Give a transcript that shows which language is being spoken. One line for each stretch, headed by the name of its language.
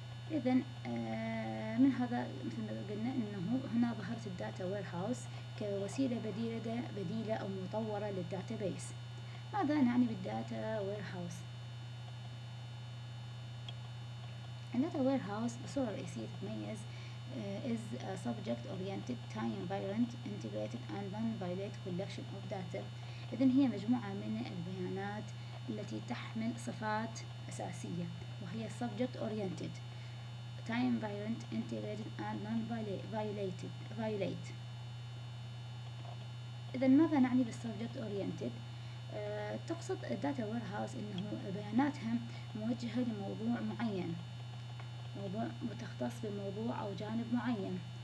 Arabic: إذن من هذا مثل ما قلنا أنه هنا ظهرت الداتا ويرهاوس كوسيلة بديلة أو مطورة للداتابيس. ماذا نعني بالداتا ويرهاوس؟ الداتا ويرهاوس بصورة رئيسية تتميز
English: is a subject oriented time invariant integrated and non-violated collection of data.
Arabic: إذن هي مجموعة من البيانات التي تحمل صفات أساسية وهي
English: subject oriented time invariant integrated and non-violated.
Arabic: إذن ماذا نعني بالسبجكت أورينتد؟ تقصد الداتا ويرهاوس إنه بياناتها موجهة لموضوع معين، موضوع متخصص بموضوع أو جانب معين.